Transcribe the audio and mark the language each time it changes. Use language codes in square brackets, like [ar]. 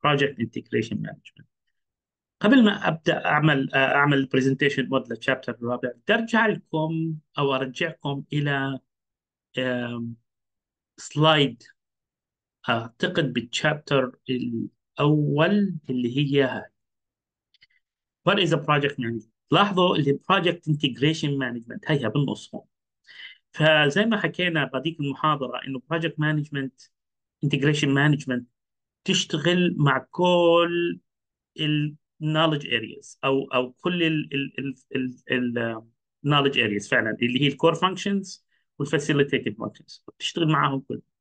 [ar] Project Integration Management، قبل ما ابدا اعمل البرزنتيشن مود للشابتر الرابع، بدي ارجع لكم او ارجعكم الى سلايد اعتقد بالشابتر الاول اللي هي هاي. [en] What is a project management؟ [ar] لاحظوا اللي [en] Project Integration Management [ar] هيها بالنص هون. فزي ما حكينا بهذيك المحاضرة إنه Project Management Integration Management تشتغل مع كل ال knowledge areas أو كل ال knowledge areas فعلا، اللي هي ال core functions وال facilitated functions، تشتغل معاهم كل.